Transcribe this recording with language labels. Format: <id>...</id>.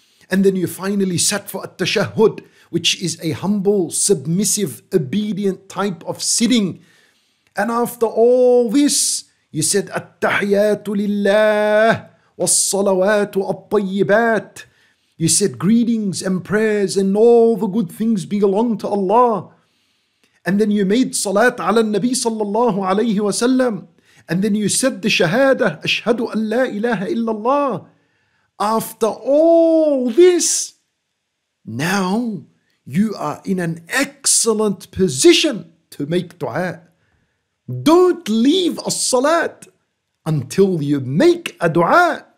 <en>And then you finally sat for at-tashahhud, which is a humble, submissive, obedient type of sitting. And after all this, you said,</en> <ar>التحيات لله والصلوات الطيبات.</ar> <en>You said, greetings and prayers and all the good things belong to Allah. And then you made salat</en> <ar>على النبي صلى الله عليه وسلم.</ar> <en>And then you said the shahada,</en> <ar>أشهد أن لا إله إلا الله.</ar> <en>After all this, now you are in an excellent position to make dua. Don't leave a salat until you make a dua.</en>